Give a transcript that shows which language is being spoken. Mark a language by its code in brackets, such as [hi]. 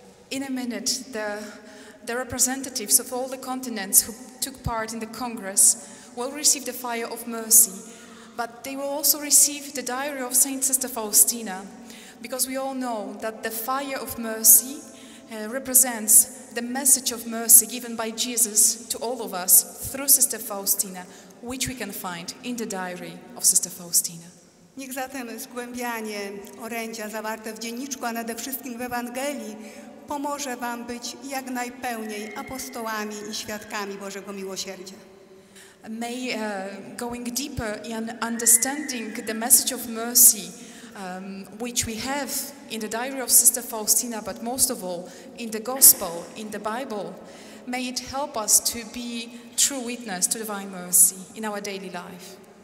[en] In a minute, the representatives of all the continents who took part in the Congress will receive the fire of mercy, but they will also receive the diary of Saint Sister Faustina, because we all know that the fire of mercy represents the message of mercy given by Jesus to all of us through Sister Faustina, which we can find in the diary of Sister Faustina. [pl] Niech zatem zgłębianie orędzia zawarte w dzienniczku, a nade wszystkim w Ewangelii, pomoże wam być jak najpełniej apostołami i świadkami Bożego miłosierdzia. [en] May going deeper in understanding the message of mercy which we have in the diary of Sister Faustina, but most of all in the gospel, in the Bible, may it help us to be true witness to divine mercy in our daily life.